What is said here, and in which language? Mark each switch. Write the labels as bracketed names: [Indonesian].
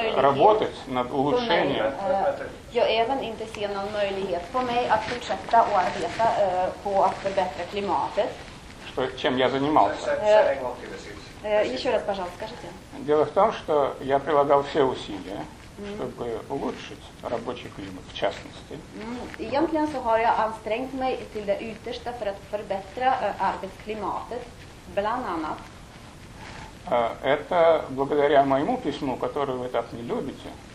[Russian] работать над улучшением. [Swedish] Jag även inte ser någon möjlighet för mig att fortsätta och arbeta på att förbättra klimatet. [Russian] Что, чем я занимался? Еще раз, пожалуйста, скажите. Дело в том, что я прилагал все усилия, чтобы улучшить рабочий климат, в частности. [Swedish] Egentligen så har jag ansträngt mig till det yttersta för att förbättra arbetsklimatet, bland annat. [Russian] Это благодаря моему письму, которое вы так не любите.